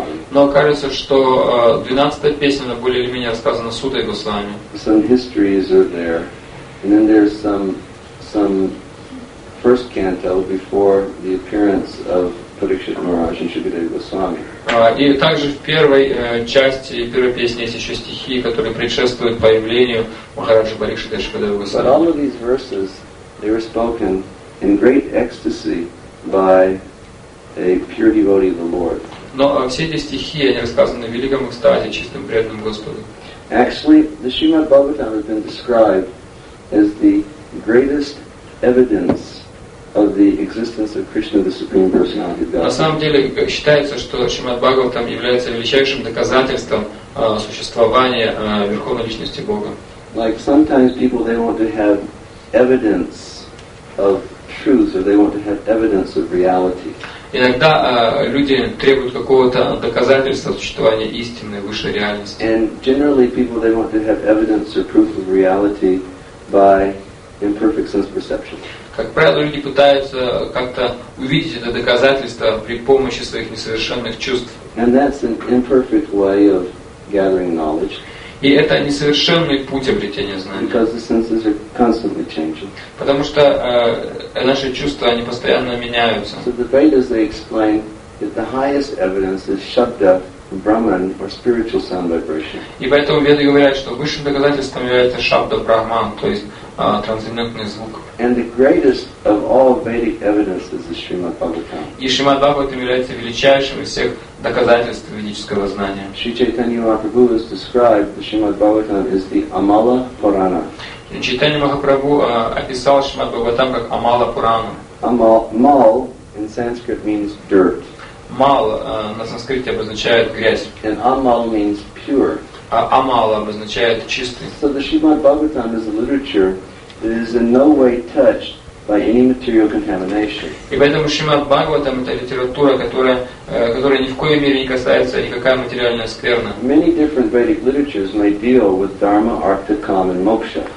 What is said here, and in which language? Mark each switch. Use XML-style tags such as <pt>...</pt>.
<ru>Но кажется, что 12-я песня более или менее рассказана Сутой Госвами.</ru> <en>Some histories are there, and then there's some first canto before the appearance of Parikshit Maharaj and Shukadeva Goswami.</en> <ru>И также в первой части первой песни есть еще стихи, которые предшествуют появлению Махараджа Парикшита и Шукадевы Госвами.</ru> <en>But all of these verses, they were spoken in great ecstasy by a pure devotee of the Lord.</en> <ru>Но все эти стихи, они рассказаны в великом экстазе, чистым преданным Господу.</ru> <en>Actually, the Srimad Bhagavatam has been described as the greatest evidence of the existence of Krishna, the Supreme Personality of God.</en> <ru>На самом деле считается, что Шримад Бхагаватам является величайшим доказательством существования Верховной Личности Бога.</ru> <en>Like sometimes people, they want to have evidence of truth, or they want to have evidence of reality.</en> <ru>Иногда люди требуют какого-то доказательства существования истины, высшей реальности.</ru> <en>And generally people, they want to have evidence or proof of reality by imperfect sense perception.</en> <ru>Как правило, люди пытаются как-то увидеть это доказательство при помощи своих несовершенных чувств.</ru> <en>And that's an imperfect way of gathering knowledge.</en> <ru>И это несовершенный путь обретения знаний.</ru> <en>Because the senses are constantly changing.</en> <ru>Потому что наши чувства, они постоянно меняются.</ru> <en>So the Vedas, they explain that the highest evidence is Shabda Brahman or spiritual sound vibration.</en> <ru>И поэтому веды говорят, что высшим доказательством является шабда брахман, то есть трансцендентный звук.</ru> <en>And the greatest of all Vedic evidences is Srimad Bhagavatam.</en> <ru>И Шримад Бхагаватам является величайшим из всех доказательств ведического знания.</ru> <en>Sri Chaitanya Mahaprabhu has described the Srimad Bhagavatam as the Amala Purana.</en> <ru>Чайтанья Махапрабху описал Шримад Бхагаватам как Амала Пурана.</ru> <en>Мал in Sanskrit means dirt.</en> <ru>Мал на санскрите обозначает грязь.</ru> <en>And Амал means pure.</en> <ru>А Амала обозначает чистый.</ru> <en>So the Srimad Bhagavatam is a literature that is in no way touched by any material contamination.</en> <ru>И поэтому Шримад Бхагаватам это литература, которая ни в коей мере не касается никакая материальная скверна.</ru> <en>Many different Vedic literatures may deal with dharma, artha, kama, and moksha.</en>